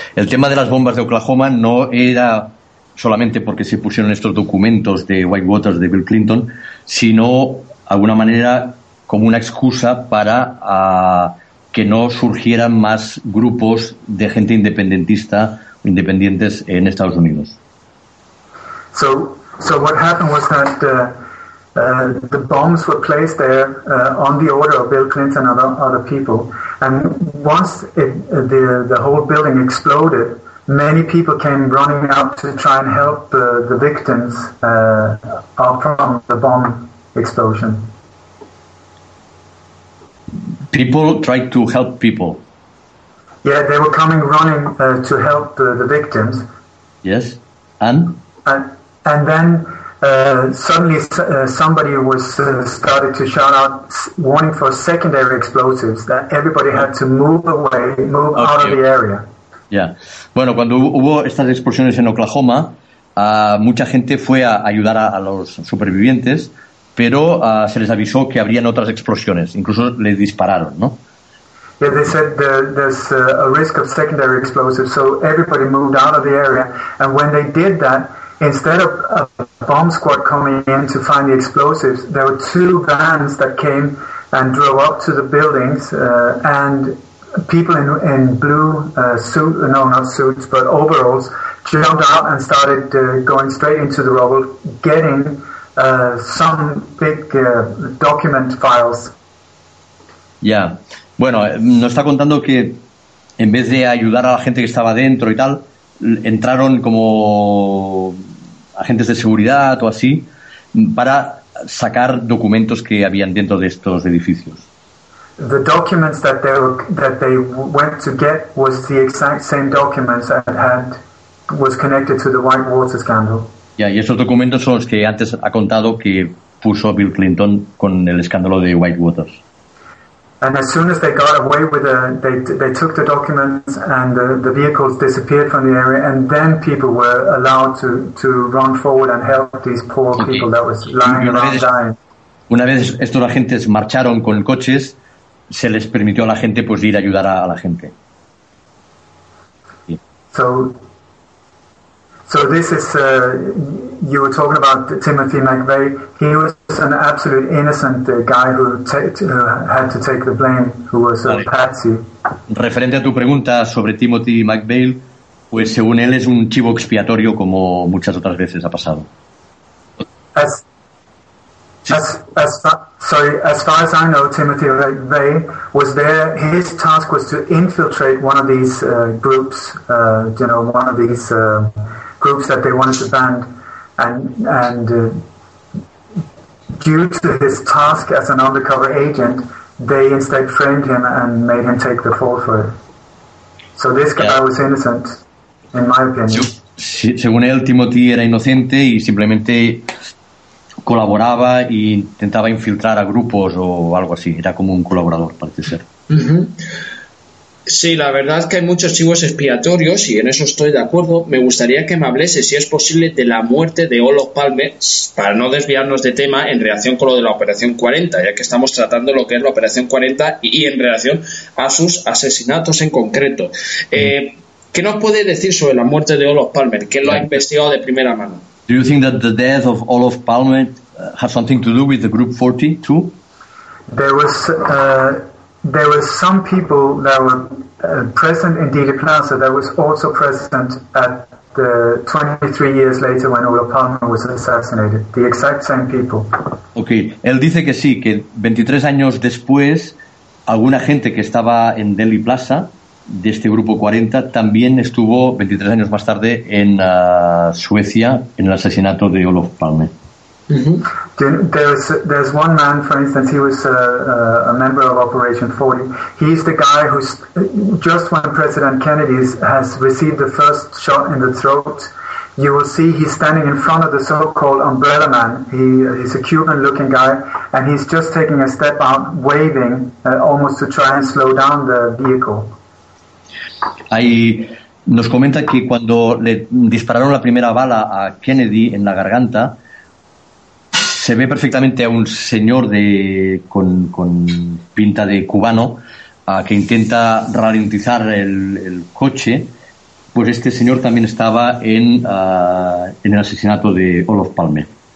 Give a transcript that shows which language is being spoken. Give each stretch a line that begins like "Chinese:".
Spanish: El tema de las bombas de Oklahoma no era solamente porque se pusieron estos documentos de Whitewater de Bill Clinton, sino de alguna manera como una excusa para que no surgieran más grupos de gente independentista independientes en Estados Unidos.
English: So what happened was that the bombs were placed there on the order of Bill Clinton and other people, and once the whole building exploded, many people came running out to try and help the victims from the bomb explosion. People tried to help people. Yeah, they were coming running to help the victims. Yes, and? And then suddenly somebody was started to shout out warning for secondary explosives, that everybody had to move out of the area. Yeah.
Spanish: Bueno, cuando hubo estas explosiones en Oklahoma, mucha gente fue a ayudar a los supervivientes, pero se les avisó que habrían otras explosiones. Incluso les dispararon, ¿no?
English: Yeah, they said there's a risk of secondary explosives, so everybody moved out of the area. And when they did that, instead of a bomb squad coming in to find the explosives, there were two vans that came and drove up to the buildings, and people in blue overalls, jumped out and started going straight into the rubble, getting some big document files. Yeah.
Spanish: Bueno, nos está contando que en vez de ayudar a la gente que estaba dentro y tal, entraron como agentes de seguridad o así para sacar documentos que habían dentro de estos edificios.
English: The documents that they went to get was the exact same documents that had was connected to the Whitewater scandal.
Spanish: Yeah, y esos documentos son los que antes ha contado que puso Bill Clinton con el escándalo de Whitewater.
English: And as soon as they got away with the, they took the documents and the vehicles disappeared from the area, and then people were allowed to run forward and help these poor people that was lying around dying.
Spanish: Una vez estos agentes marcharon con coches, se les permitió a la gente pues ir a ayudar a la gente.
English: So this is you were talking about Timothy McVeigh. He was an absolute innocent guy who had to take the blame, who was a patsy.
Spanish: Referente a tu pregunta sobre Timothy McVeigh, pues según él es un chivo expiatorio como muchas otras veces ha pasado.
English: As far as I know, Timothy McVeigh was there. His task was to infiltrate one of these groups, you know, one of these groups that they wanted to ban. And due to his task as an undercover agent, they instead framed him and made him take the fall for it. So this guy was innocent, in my opinion.
Spanish: Según él, Timothy era inocente y simplemente colaboraba e intentaba infiltrar a grupos o algo así. Era como un colaborador, parece ser. Sí, la verdad que hay muchos chivos expiatorios y en eso estoy de acuerdo. Me gustaría que me hablese, si es posible, de la muerte de Olof Palme, para no desviarnos de tema, en relación con lo de la Operación 40, ya que estamos tratando lo que es la Operación 40 y en relación a sus asesinatos en concreto. ¿Qué nos puede decir sobre la muerte de Olof Palme? ¿Quién lo ha investigado de primera mano?
English: Do you think that the death of Olof Palme has something to do with the Group 40 too? There was some people that were present in Dieter Plaza that was also present at the 23 years later when Olof Palme was assassinated. The exact same people.
Spanish: Okay, él dice que sí, que 23 años después alguna gente que estaba en Delhi Plaza de este grupo 40 también estuvo 23 años más tarde en Suecia en el asesinato de Olof Palme.
English: There's one man, for instance, he was a member of Operation 40. He's the guy who's just when President Kennedy has received the first shot in the throat, you will see he's standing in front of the so-called umbrella man. He's a Cuban-looking guy, and he's just taking a step out, waving, almost to try and slow down the vehicle.
Spanish: Ahí nos comenta que cuando le dispararon la primera bala a Kennedy en la garganta, se ve perfectamente a un señor con pinta de cubano que intenta ralentizar el coche, pues este señor también estaba en el asesinato de Olof Palme.